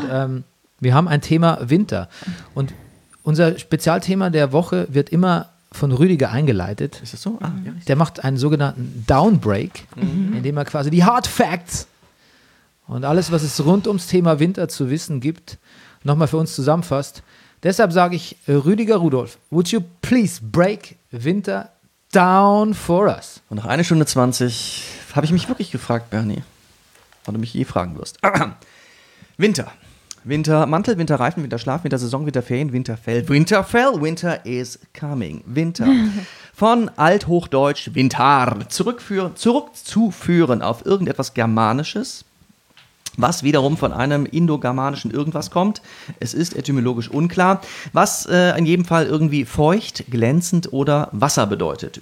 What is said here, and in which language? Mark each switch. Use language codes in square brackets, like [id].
[de] Und wir haben ein Thema Winter. Und unser Spezialthema der Woche wird immer von Rüdiger eingeleitet. Ist das so? Ah, ja. Der macht einen sogenannten Downbreak, indem er quasi die Hard Facts und alles, was es rund ums Thema Winter zu wissen gibt, nochmal für uns zusammenfasst. Deshalb sage ich, [en] Rüdiger Rudolf, would you please break Winter down for us? [de] Und nach einer Stunde 20 habe ich mich wirklich gefragt, Bernie, ob du mich je fragen wirst. Winter. Wintermantel, Winterreifen, Winterschlaf, Wintersaison, Winterferien, Winterfell. [en] Winterfell, winter is coming. [de] Winter. Von Althochdeutsch Winter zurückzuführen auf irgendetwas Germanisches, was wiederum von einem indogermanischen irgendwas kommt. Es ist etymologisch unklar, was in jedem Fall irgendwie feucht, glänzend oder Wasser bedeutet.